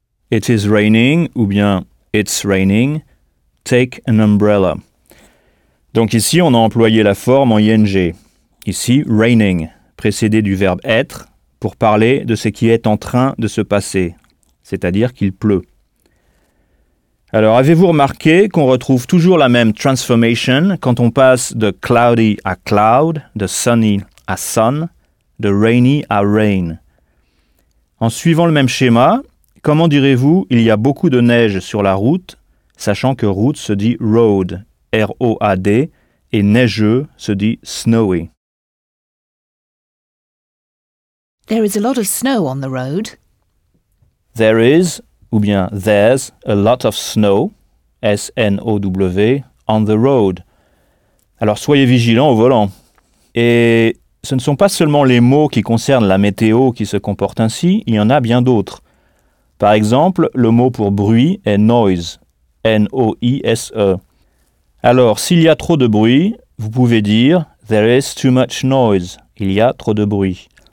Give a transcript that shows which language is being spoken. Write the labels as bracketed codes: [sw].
[en] It is raining, [fr] ou bien [en] it's raining, take an umbrella. [fr] Donc ici, on a employé la forme en ing. Ici, raining, précédé du verbe être, pour parler de ce qui est en train de se passer, c'est-à-dire qu'il pleut. Alors, avez-vous remarqué qu'on retrouve toujours la même transformation quand on passe de cloudy à cloud, de sunny à sun, de rainy à rain? En suivant le même schéma, comment direz-vous « il y a beaucoup de neige sur la route » sachant que « route » se dit « road », R-O-A-D, et « neigeux » se dit « snowy ». [en] There is a lot of snow on the road. There is, [fr] ou bien [en] there's, a lot of snow, S-N-O-W, on the road. [fr] Alors soyez vigilants au volant. Et ce ne sont pas seulement les mots qui concernent la météo qui se comportent ainsi, il y en a bien d'autres. Par exemple, le mot pour bruit est noise, N-O-I-S-E. Alors, s'il y a trop de bruit, vous pouvez dire [en] there is too much noise, [fr] il y a trop de bruit.